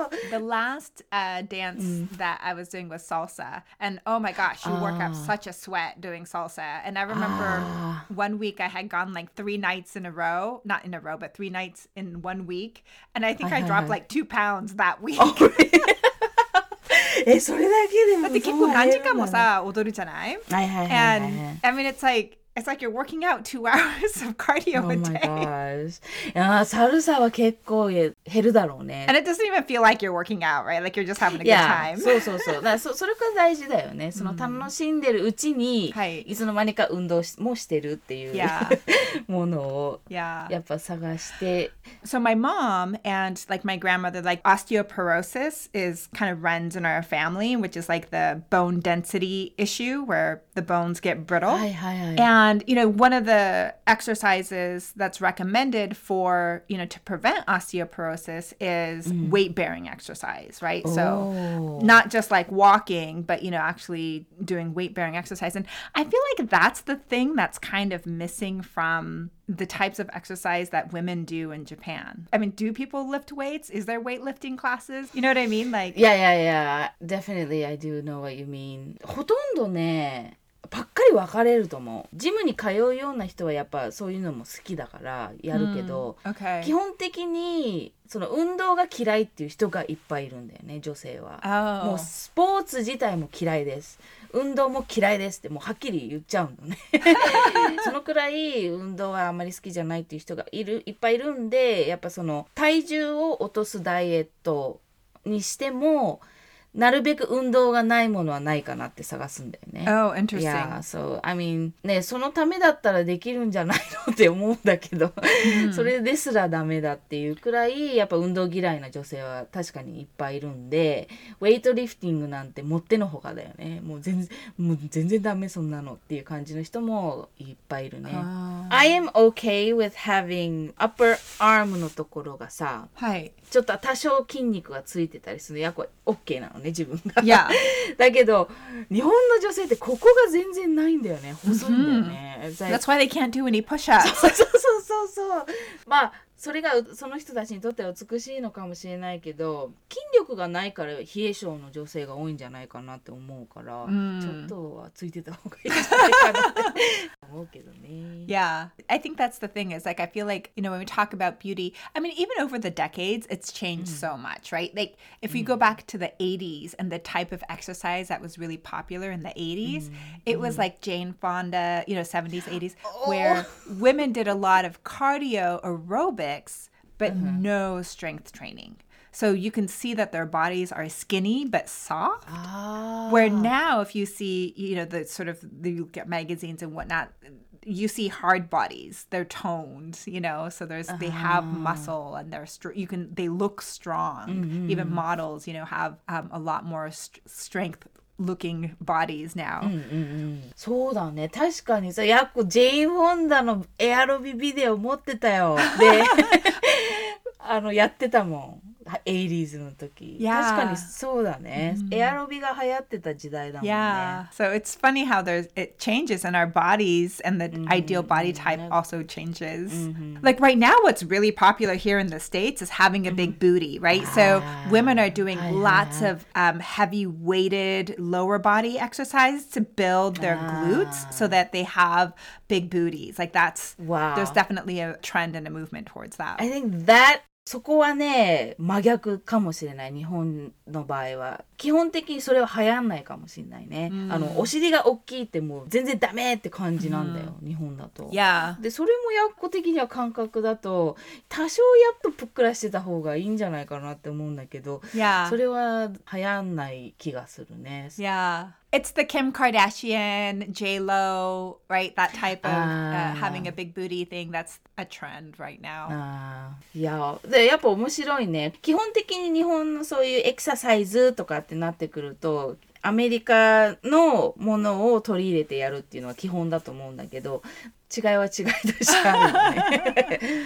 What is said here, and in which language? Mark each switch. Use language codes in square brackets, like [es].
[en] The last dance that I was doing was salsa. And oh my gosh, you work up such a sweat doing salsa. And I remember one week I had gone like three nights in a row. Not in a row, but three nights in one week. And I think I dropped like 2 pounds that week. [ja] え、それだけでも。だって結構何時間もさ、踊るじゃない？はいはいはい。 [en] And I mean, it's like, It's like you're working out 2 hours of cardio a day. Oh my gosh. [ja] Yeah, salsa は結構減るだろうね。 [en] And it doesn't even feel like you're working out, right? Like you're just having a good time. [ja] Yeah, そうそうそう。だからそれが大事だよね。その楽しんでるうちに、いつの間にか運動もしてるっていうものをやっぱ探して。 [en] So my mom and like my grandmother, like osteoporosis is kind of runs in our family, which is like the bone density issue where the bones get brittle. [ja] はいはいはい。 [en] And, you know, one of the exercises that's recommended for, you know, to prevent osteoporosis is weight-bearing exercise, right? Oh. So not just like walking, but, you know, actually doing weight-bearing exercise. And I feel like that's the thing that's kind of missing from the types of exercise that women do in Japan. I mean, do people lift weights? Is there weightlifting classes? You know what I mean? Like, Yeah. Definitely, I do know what you mean. [ja] ほとんどね。ばっかり分かれると思う。ジムに通うような人はやっぱそういうのも好きだからやるけど、 [en] okay. [ja] 基本的にその運動が嫌いっていう人がいっぱいいるんだよね、女性は。 [en] Oh. [ja] もうスポーツ自体も嫌いです。運動も嫌いですってもうはっきり言っちゃうのね。そのくらい運動はあまり好きじゃないっていう人がいっぱいいるんで、やっぱその体重を落とすダイエットにしても、なるべく運動がないものはないかなって探すんだよね。 [en] Oh, interesting. Yeah, so, I mean, [ja] ね、そのためだったらできるんじゃないのって思うんだけど、それですらダメだっていうくらい、やっぱ運動嫌いな女性は確かにいっぱいいるんで、ウェイトリフティングなんてもってのほかだよね。もう全然ダメそんなのっていう感じの人もいっぱいいるね。 [en] I am okay with having upper arm [ja] のところがさ、はい、ちょっと多少筋肉がついてたりするの、やっぱ OK なの。自分が、 [en] yeah. [ja] だけど日本の女性ってここが全然ないんだよね、細いんだよね、 [en] That's why they can't do any push-ups. [ja] そうまあそれがその人たちにとっては美しいのかもしれないけど、筋力がないから冷え性の女性が多いんじゃないかなって思うから、 mm. ちょっとはついてた方がいいんじゃないかなって思うけどね。 [en] Yeah, I think that's the thing is, like, I feel like, you know, when we talk about beauty, I mean, even over the decades, it's changed so much, right? Like, if we go back to the 80s and the type of exercise that was really popular in the 80s, it was like Jane Fonda, you know, 70s, 80s, where women did a lot of cardio aerobics, but no strength training. So you can see that their bodies are skinny but soft. Where now, if you see, you know, the sort of the magazines and whatnot, you see hard bodies, they're toned, you know, so there's, they have muscle and they're, they look strong. Mm-hmm. Even models, you know, have a lot more strength looking bodies now. [ja] そうだね。確かにさ、やっこ、ジェイン・フォンダのエアロビビデオ持ってたよ。で、あの、やってたもん。80s の時、 [en] yeah. [ja] 確かにそうだね、エアロビが流行ってた時代だもんね、 [en] yeah. So it's funny how it changes and our bodies and the ideal body type also changes、Like right now what's really popular here in the States is having a big booty, right? So women are doing lots of heavy weighted lower body exercise to build their glutes so that they have big booties. Like that's, there's definitely a trend and a movement towards that. I think that [ja] そこはね、真逆かもしれない。日本の場合は基本的にそれは流行んないかもしれないね、あのお尻が大きいってもう全然ダメって感じなんだよ、日本だと、 [en] yeah. [ja] でそれもやっこ的には感覚だと多少やっとぷっくらしてた方がいいんじゃないかなって思うんだけど、 [en] yeah. [ja] それは流行んない気がするね、 [en] yeah. It's the Kim Kardashian, J-Lo, right? That type of having a big booty thing. That's a trend right now. [ja] Yeah. で、やっぱ面白いね。基本的に日本のそういうエクササイズとかってなってくると、アメリカのものを取り入れてやるっていうのは基本だと思うんだけど、違いは違いとしてあるよね。